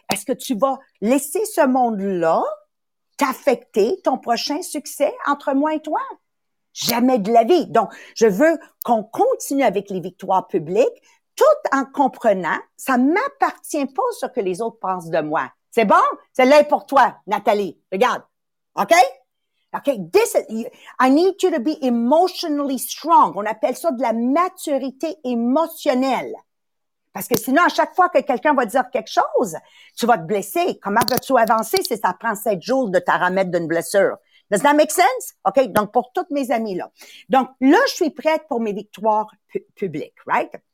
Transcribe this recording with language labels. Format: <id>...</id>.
<fr>Est-ce que tu vas laisser ce monde-là t'affecter ton prochain succès entre moi et toi? Jamais de la vie. Donc, je veux qu'on continue avec les victoires publiques tout en comprenant ça m'appartient pas ce que les autres pensent de moi. C'est bon? Celle-là est pour toi, Nathalie. Regarde. OK? OK?</fr> <en>I need you to be emotionally strong.</en> <fr>On appelle ça de la maturité émotionnelle. Parce que sinon, à chaque fois que quelqu'un va dire quelque chose, tu vas te blesser. Comment veux-tu avancer si ça prend 7 jours de te remettre d'une blessure?</fr> <en>Does that make sense?</en> <fr>OK? Donc, pour toutes mes amies, là. Donc, là, je suis prête pour mes victoires publiques. Right?</fr>